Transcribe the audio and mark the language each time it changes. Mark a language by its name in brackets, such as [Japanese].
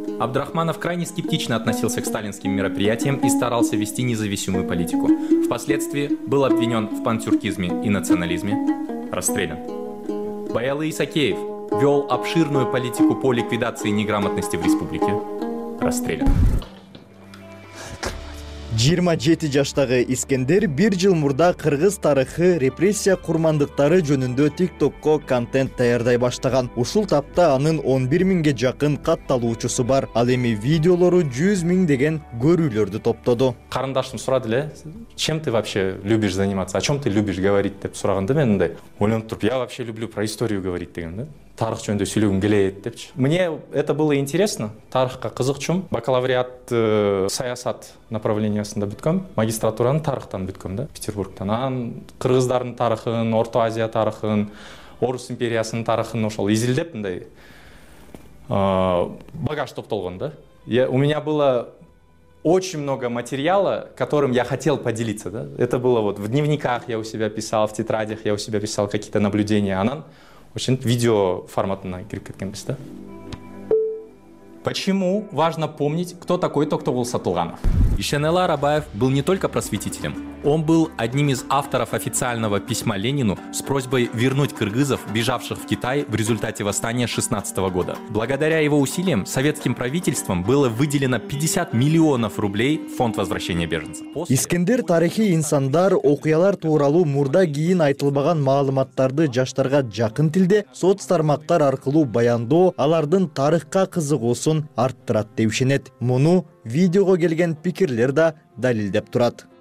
[Russian] Абдрахманов крайне скептично относился к сталинским мероприятиям и старался вести независимую политику. Впоследствии был обвинен в пантюркизме и национализме, расстрелян. Баялы Исакеев. Вел обширную политику по ликвидации неграмотности в республике. Расстрелян. [Kyrgyz] 27 жаштагы Искендер бир жыл мурда кыргыз тарыхы, репрессия курмандыктары жөнүндө TikTok'ко контент даярдай баштаган. Ушул тапта анын 11 миңге жакын катталуучусу бар. Ал эми видеолору 100 миң деген көрүүлөрдү топтоду. Карындашым сурады эле: [Russian] «Чем ты вообще любишь заниматься? О чем ты любишь говорить?» [Kyrgyz] деп сураганда мен мындай ойлонуп туруп: [Russian] «Я вообще люблю про историю говорить» [Kyrgyz] деген да. Тарых жөнүндө сүйлөгүм келет депчи. [Russian] Мне это было интересно. [Kyrgyz] Тарыхка кызыкчум. Бакалавриат саясат направлениясында бүткөм. Магистратураны тарыхтан бүткөм да, Петербургтан. Анан кыргыздардын тарыхын, Орто Азия тарыхын, Орус империясынын тарыхын ошол изилдеп мындай багаж топтолгон да. [Russian] У меня было очень много материала, которым я хотел поделиться, да. Это было вот в дневниках я у себя писал, в тетрадях я у себя писал какие-то наблюдения. [Kyrgyz] Анан [Russian] очень [Kyrgyz] видео форматно кирип кеткенбиз, да? [Russian] Почему важно помнить, кто такой тот, кто был Сатулганов? Ишенелы Арабаев был не только просветителем, Он был одним из авторов официального письма Ленину с просьбой вернуть кыргызов, бежавших в Китай в результате восстания 16 года. Благодаря его усилиям советским правительством было выделено 50 миллионов рублей в фонд возвращения беженцев. [Kyrgyz] Искендер тарихи инсандар, окуялар тууралуу мурда кийин айтылбаган маалыматтарды жаштарга жакын тилде соцтармактар аркылуу баяндоо алардын тарыхка кызыгуусун арттырат деп ишенет. Муну видеого келген пикирлер да далилдеп турат.